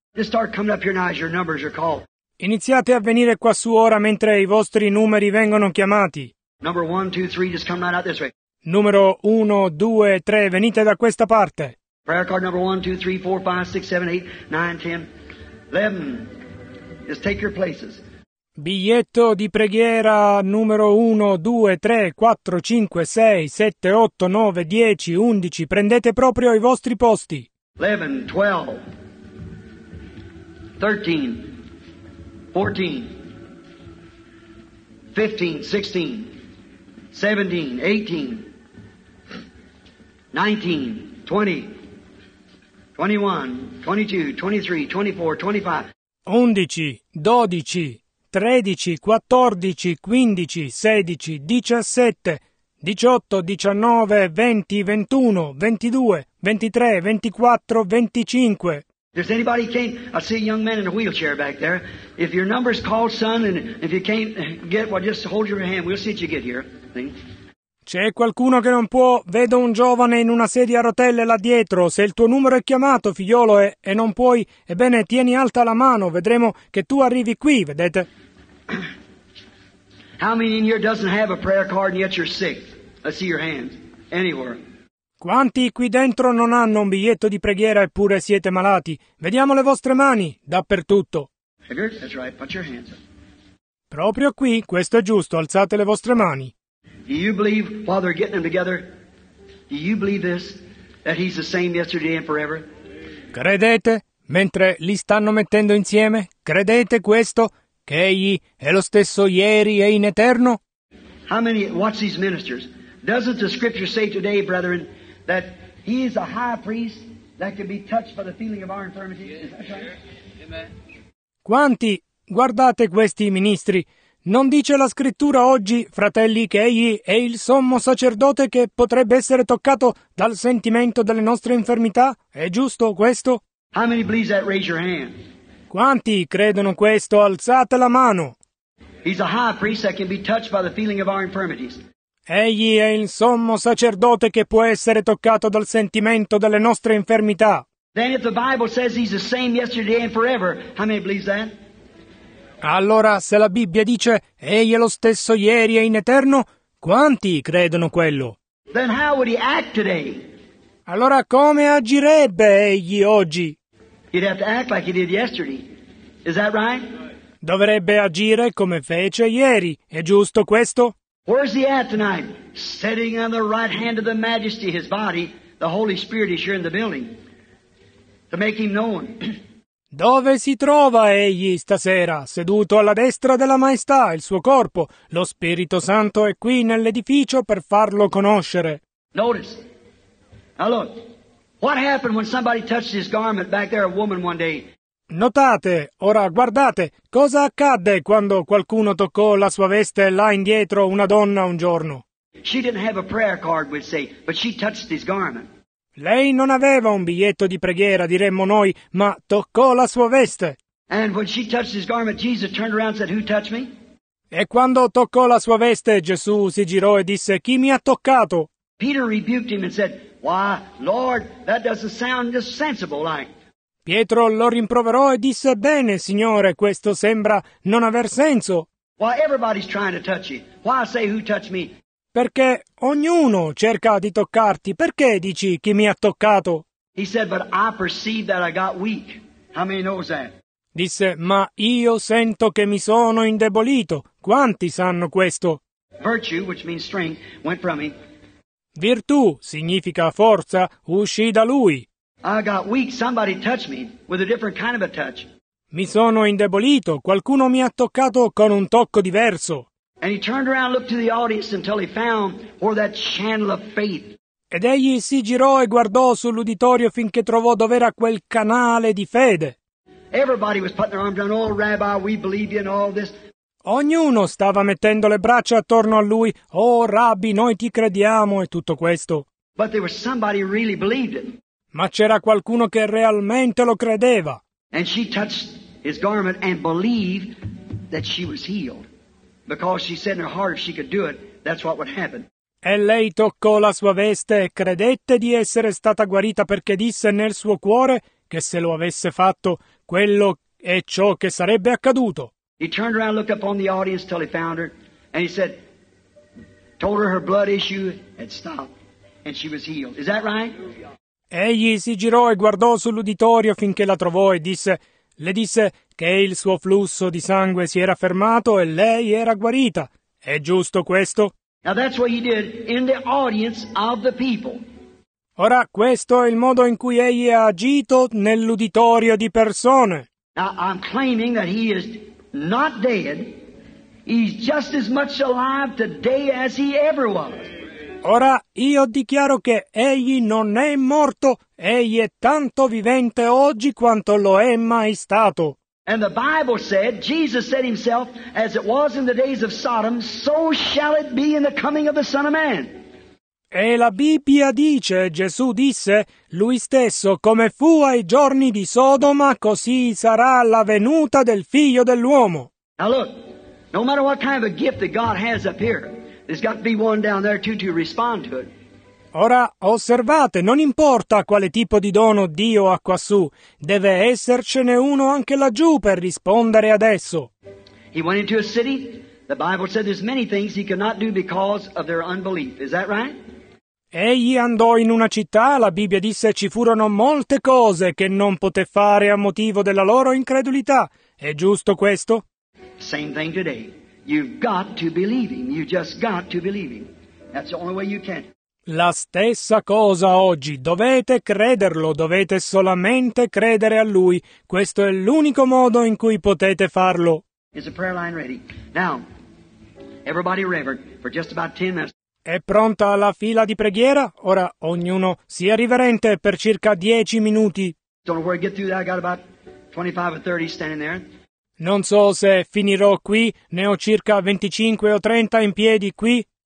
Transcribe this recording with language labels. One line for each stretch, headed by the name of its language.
English: Just start coming up here now as your numbers are called.
Italian: Iniziate a venire qua su ora mentre i vostri numeri vengono chiamati.
English: Number 1, 2, 3, just come right out this way.
Italian: Numero 1, 2, 3, venite da questa parte.
English: Prayer card number 1, 2, 3, 4, 5, 6, 7, 8, 9, 10, 11. Just take your places.
Italian: Biglietto di preghiera numero 1, 2, 3, 4, 5, 6, 7, 8, 9, 10, 11. Prendete proprio i vostri posti.
English: 11, 12, 13, 14, 15, 16, 17, 18, 19, 20, 21, 22, 23, 24, 25.
Italian: 11, 12. 13, 14, 15, 16, 17, 18, 19, 20, 21, 22, 23, 24, 25.
English: Does anybody can't? I see a young man in a wheelchair back there. If your number's called, son, and if you can't get, well, just hold your hand. We'll see if you get here.
Italian: C'è qualcuno che non può? Vedo un giovane in una sedia a rotelle là dietro. Se il tuo numero è chiamato, figliolo, e non puoi, ebbene, tieni alta la mano. Vedremo che tu arrivi qui, vedete?
English: How many in here doesn't have a prayer card and yet you're sick? I see your hands. Anywhere.
Italian: Quanti qui dentro non hanno un biglietto di preghiera eppure siete malati? Vediamo le vostre mani, dappertutto.
English: That's right, put your hands up.
Italian: Proprio qui, questo è giusto, alzate le vostre mani.
English: Do you believe, while they're getting them together, do you believe this, that he's the same yesterday and forever?
Italian: Credete, mentre li stanno mettendo insieme, credete questo, che egli è lo stesso ieri e in eterno?
English: How many, watch these ministers. Doesn't the scripture say today, brethren, that he is a high priest that can be touched by the feeling of our infirmities? Yes, is that right? Sure. Amen.
Italian: Quanti, guardate questi ministri, non dice la scrittura oggi, fratelli, che egli è il sommo sacerdote che potrebbe essere toccato dal sentimento delle nostre infermità? È giusto questo?
English: How many believe that? Raise your hand.
Italian: Quanti credono questo? Alzate la mano!
English: He's a high priest that can be touched by the feeling of our infirmities.
Italian: Egli è il sommo sacerdote che può essere toccato dal sentimento delle nostre infermità.
English: Then if the Bible says he's the same yesterday and forever, how many believe that?
Italian: Allora, se la Bibbia dice egli è lo stesso ieri e in eterno, quanti credono quello?
English: Then how would he act today?
Italian: Allora come agirebbe egli oggi?
English: He'd have to act like he did yesterday. Is that right?
Italian: Dovrebbe agire come fece ieri, è giusto questo?
English: Where's he at tonight? Sitting on the right hand of the Majesty, his body, the Holy Spirit is here in the building to make him known.
Italian: Dove si trova egli stasera? Seduto alla destra della Maestà, il suo corpo. Lo Spirito Santo è qui nell'edificio per farlo conoscere.
English: Notice. Now look. What happened when somebody touched his garment back there, a woman one day?
Italian: Notate, ora guardate, cosa accadde quando qualcuno toccò la sua veste là indietro, una donna un giorno?
English: She didn't have a prayer card, we'd say, but she touched his garment.
Italian: Lei non aveva un biglietto di preghiera, diremmo noi, ma toccò la sua veste.
English: And when she touched his garment, Jesus turned around and said, "Who touched me?"
Italian: E quando toccò la sua veste, Gesù si girò e disse, "Chi mi ha toccato?"
English: Peter rebuked him and said, "Why, Lord, that doesn't sound just sensible like."
Italian: Pietro lo rimproverò e disse, "Bene, Signore, questo sembra non aver senso."
English: Why everybody's trying to touch you? Why say who touched me?
Italian: Perché ognuno cerca di toccarti. Perché dici chi mi ha toccato?
English: He said, but I perceive that I got weak. How many knows that?
Italian: Disse, ma io sento che mi sono indebolito. Quanti sanno questo?
English: Virtue, which means strength, went from me.
Italian: Virtù, significa forza, uscì da lui.
English: I got weak. Somebody touched me with a different kind of a touch.
Italian: Mi sono indebolito. Qualcuno mi ha toccato con un tocco diverso.
English: And he turned around and looked to the audience until he found where that channel of faith.
Italian: Ed egli si girò e guardò sull'uditorio finché trovò dov'era quel canale di fede.
English: Everybody was putting their arms around, "Oh, Rabbi, we believe you in all this."
Italian: Ognuno stava mettendo le braccia attorno a lui, "Oh, Rabbi, noi ti crediamo" e tutto questo.
English: But there was somebody who really believed it.
Italian: Ma c'era qualcuno che realmente lo credeva.
English: And she touched his garment and believed that she was healed. Because she said in her heart, if she could do it, that's what would happen.
Italian: E lei toccò la sua veste e credette di essere stata guarita perché disse nel suo cuore che se lo avesse fatto, quello è ciò che sarebbe accaduto.
English: He turned around, looked up on the audience till he found her, and he said, told her her blood issue had stopped, and she was healed. Is that right?
Italian: Egli si girò e guardò sull'uditorio finché la trovò e disse, le disse che il suo flusso di sangue si era fermato e lei era guarita. È giusto questo?
English: Now that's what he did in the audience of the people.
Italian: Ora questo è il modo in cui egli ha agito nell'uditorio di persone.
English: Now I'm claiming that he is not dead. He's just as much alive today as he ever was.
Italian: Ora io dichiaro che egli non è morto, egli è tanto vivente oggi quanto lo è mai stato.
English: And the Bible said, Jesus said himself, as it was in the days of Sodom, so shall it be in the coming of the Son of Man.
Italian: E la Bibbia dice, Gesù disse, lui stesso, come fu ai giorni di Sodoma, così sarà la venuta del Figlio dell'uomo.
English: Now look, no matter what kind of a gift that God has up here, there's got to be one down there too to respond to it.
Italian: Ora osservate, non importa quale tipo di dono Dio ha quassù, deve essercene uno anche laggiù per rispondere adesso.
English: He went into a city. The Bible said there's many things he could not do because of their unbelief. Is that right?
Italian: Egli andò in una città, la Bibbia disse ci furono molte cose che non poté fare a motivo della loro incredulità. È giusto questo?
English: Same thing today. You've got to believe him. You just got to believe him. That's the only way you can.
Italian: La stessa cosa oggi, dovete crederlo, dovete solamente credere a lui. Questo è l'unico modo in cui potete farlo.
English: Is the prayer line ready? Now, everybody reverent for just about 10 minutes.
Italian: È pronta la fila di preghiera? Ora ognuno sia riverente per circa 10 minuti.
English: Don't worry, get through that. I got about 25 or 30 standing there.
Italian: Non so se finirò qui, ne ho circa 25 o 30 in piedi qui.